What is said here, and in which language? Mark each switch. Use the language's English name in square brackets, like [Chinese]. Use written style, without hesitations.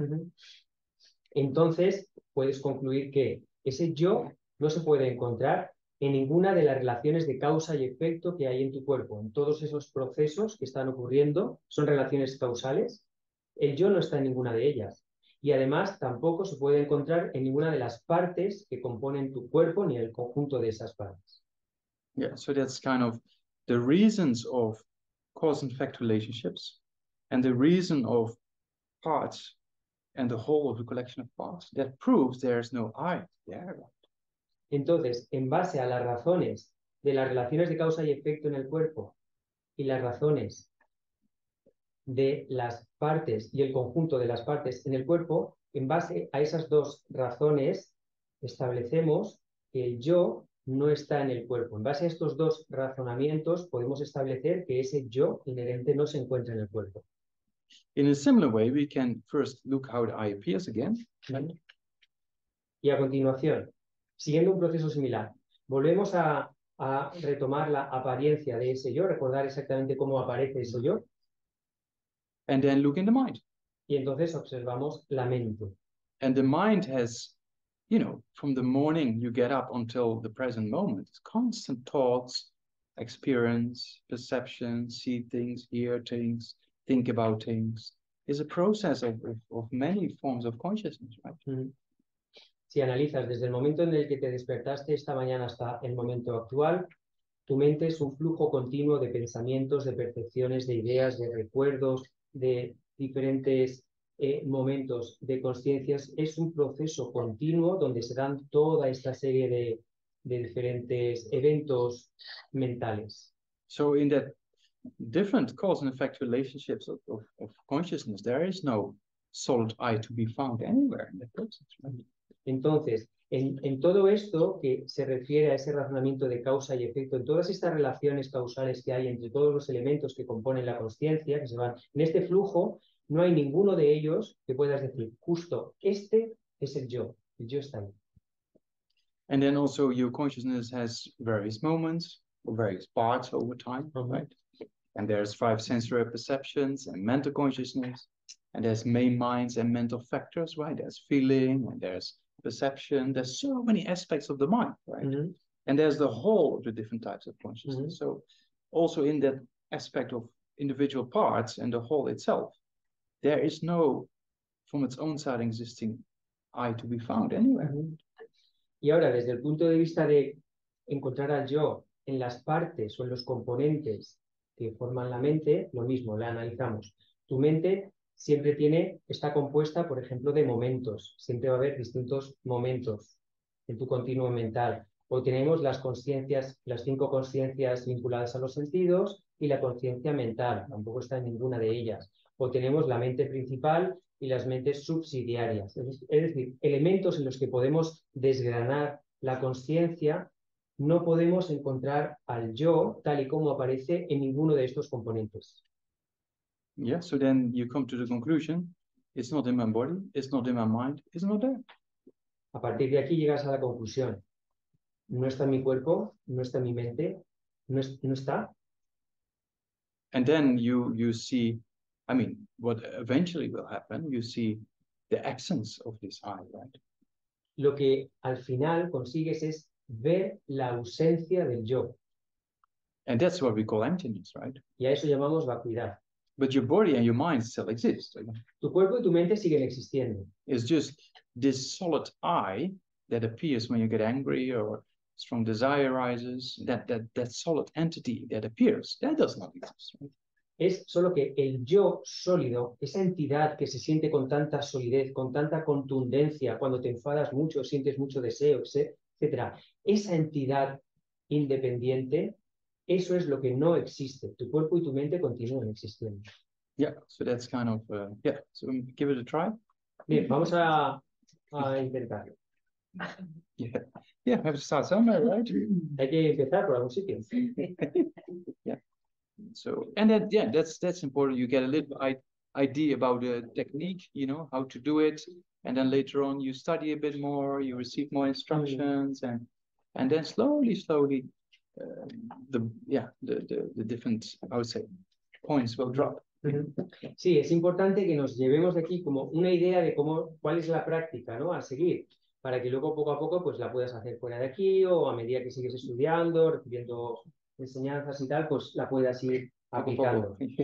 [Spanish] Mm-hmm. Entonces, puedes concluir que ese yo no se puede encontrar en ninguna de las relaciones de causa y efecto que hay en tu cuerpo. En todos esos procesos que están ocurriendo, son relaciones causales, el yo no está en ninguna de ellas. Y además, tampoco se puede encontrar en ninguna de las partes que componen tu cuerpo ni en el conjunto de esas partes. [English] Yeah, so that's kind of the reasons of cause and effect relationships and the reason of parts and the whole of the collection of parts that proves there's no I there. [Spanish] Entonces, en base a las razones de las relaciones de causa y efecto en el cuerpo y las razones de las partes y el conjunto de las partes en el cuerpo, en base a esas dos razones establecemos que el yo no está en el cuerpo. En base a estos dos razonamientos podemos establecer que ese yo inherente no se encuentra en el cuerpo. [English] In a similar way, we can first look how the eye appears again. [Spanish] Y a continuación, siguiendo un proceso similar, volvemos a retomar la apariencia de ese yo, recordar exactamente cómo aparece ese yo. [English] And then look in the mind. [Spanish] Y entonces observamos la mente. [English] And the mind has, you know, from the morning you get up until the present moment, it's constant thoughts, experience, perception, see things, hear things, think about things. It's a process of many forms of consciousness, right? Mm-hmm. [Spanish] Si analizas desde el momento en el que te despertaste esta mañana hasta el momento actual, tu mente es un flujo continuo de pensamientos, de percepciones, de ideas, de recuerdos, de diferentes momentos de consciencias. Es un proceso continuo donde se dan toda esta serie de diferentes eventos mentales. [English] So in that different cause and effect relationships of consciousness, there is no solid I to be found anywhere in the process, right? [Spanish] Entonces, en todo esto que se refiere a ese razonamiento de causa y efecto, en todas estas relaciones causales que hay entre todos los elementos que componen la consciencia, que se van en este flujo, no hay ninguno de ellos que puedas decir, justo, este es el yo está ahí. [English] And then also your consciousness has various moments, or various parts over time, right? And there's five sensory perceptions and mental consciousness, and there's main minds and mental factors, right? There's feeling, and there's perception. There's so many aspects of the mind, right? Mm-hmm. And there's the whole of the different types of consciousness. Mm-hmm. So also in that aspect of individual parts and the whole itself, there is no, from its own side, existing I to be found anywhere. Mm-hmm. [Spanish] Y ahora, desde el punto de vista de encontrar al yo en las partes o en los componentes que forman la mente, lo mismo, la analizamos. Tu mente siempre tiene, está compuesta, por ejemplo, de momentos. Siempre va a haber distintos momentos en tu continuo mental. O tenemos las conciencias, las cinco conciencias vinculadas a los sentidos y la conciencia mental. Tampoco está en ninguna de ellas. O tenemos la mente principal y las mentes subsidiarias. Es decir, elementos en los que podemos desgranar la conciencia, no podemos encontrar al yo tal y como aparece en ninguno de estos componentes. [English] Yeah, so then you come to the conclusion, it's not in my body, it's not in my mind, it's not there. [Spanish] A partir de aquí llegas a la conclusión. No está en mi cuerpo, no está en mi mente, no está. [English] And then you see, I mean, what eventually will happen, you see the essence of this I, right? [Spanish] Lo que al final consigues es ver la ausencia del yo. [English] And that's what we call emptiness, right? [Spanish] Y a eso llamamos vacuidad. [English] But your body and your mind still exist. Right? [Spanish] Tu cuerpo y tu mente siguen existiendo. [English] It's just this solid I that appears when you get angry or strong desire arises, that solid entity that appears, that does not exist. Right? [Spanish] Es solo que el yo sólido, esa entidad que se siente con tanta solidez, con tanta contundencia, cuando te enfadas mucho, sientes mucho deseo, etcétera, esa entidad independiente, eso es lo que no existe. Tu cuerpo y tu mente continúan existiendo. [English] Yeah, so that's kind of, yeah, so give it a try. [Spanish] Bien, vamos a intentarlo. [English] Yeah, we have to start somewhere, right? [Spanish] Hay que empezar por algún sitio. [English] Yeah. So, and then, yeah, that's important. You get a little idea about the technique, you know, how to do it. And then later on, you study a bit more, you receive more instructions, mm-hmm. and then slowly, the different, I would say, points will drop. Mm-hmm. [Spanish] Sí, es importante que nos llevemos de aquí como una idea de cómo, cuál es la práctica, ¿no? A seguir, para que luego poco a poco, pues la puedas hacer fuera de aquí, o a medida que sigues estudiando, recibiendo enseñanzas y tal, pues la puedas ir aplicando.